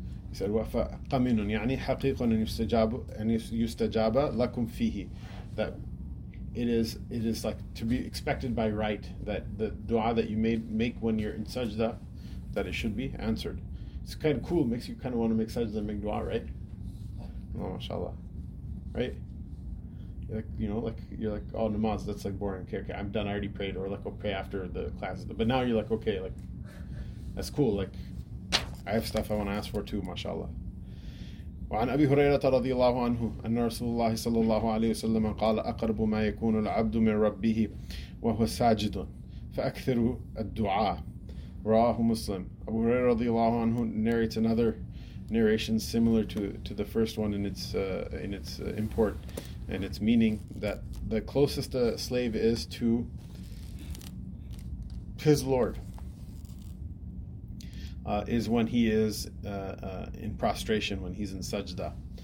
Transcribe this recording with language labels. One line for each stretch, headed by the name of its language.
English: He said,
Arabic: وَفَا قَمِنٌ يَعْنِي حَقِيقٌ أَنْ يُسْتَجَابَ لَكُمْ فِيهِ,
English: that It is like to be expected by right, that the dua that you make when you're in sajda, that it should be answered. It's kind of cool. Makes you kind of want to make sajda and make dua, right? Oh, mashallah. Right? Like, you know, like, you're like, oh, namaz, that's like boring. Okay, I'm done. I already prayed. Or like, I'll pray after the class. But now you're like, okay, like, that's cool. Like, I have stuff I want to ask for too, mashallah.
Arabic: وعن أبي هريرة رضي الله عنه أن رسول الله صلى الله عليه وسلم قال أقرب ما يكون العبد من ربه وهو ساجد فأكثر الدعاء رواه مسلم.
English: أبو هريرة
Arabic: رضي الله عنه
English: narrates another narration similar to the first one in its import and its meaning, that the closest a slave is to his Lord is when he is in prostration, when he's in sajda.